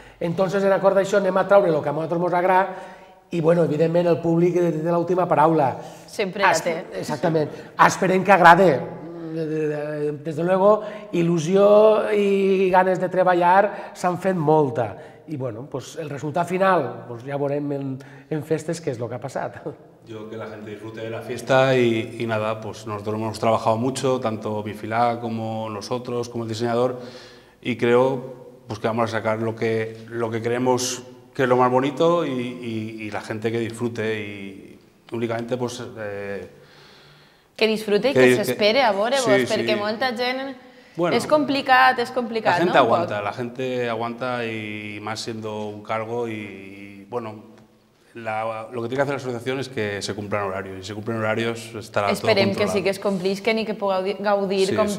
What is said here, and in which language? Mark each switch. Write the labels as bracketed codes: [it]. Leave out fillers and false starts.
[ca] Entonces, en acorde a això, anem a traure el que a nosaltres ens agrada i, bueno, evidentment, el públic té l'última paraula. Sempre la té. Exactament. Esperem que agrade. Des de luego, il·lusió i ganes de treballar s'han fet molta. I, bueno, pues el resultat final, pues ja veurem en festes què és el que ha passat. [es] Yo que la gente disfrute de la fiesta y nada, pues nosotros hemos trabajado mucho, tanto Bifilá como nosotros, como el diseñador, y creo pues que vamos a sacar lo que creemos que es lo más bonito y la gente que disfrute y únicamente pues... Que disfrute y que [ca] s'espere a veure-vos, [es] sí, perquè sí. [ca] Molta gent... Bueno, és complicat, [es] la gente no? Aguanta, la gente aguanta y más siendo un cargo y bueno, lo que tiene que hacer la asociación es que se cumplan horarios y si se cumplen horarios estará todo controlado. [ca] Esperem que sí que es complisquen y que pugueu gaudir sí, com sí.